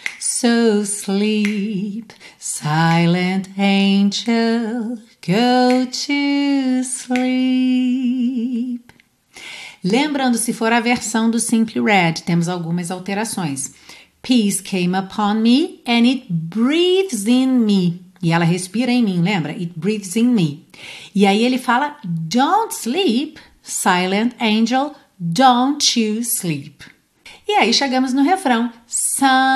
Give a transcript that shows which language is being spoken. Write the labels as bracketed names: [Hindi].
[English] So sleep, silent angel, go to sleep. [Portuguese] Lembrando, se for a versão do Simply Red, temos algumas alterações. [English] Peace came upon me and it breathes in me. [Portuguese] E ela respira em mim, lembra? [English] It breathes in me. [Portuguese] E aí ele fala, [English] don't sleep, silent angel, don't you sleep. [Portuguese] E aí chegamos no refrão, sometimes.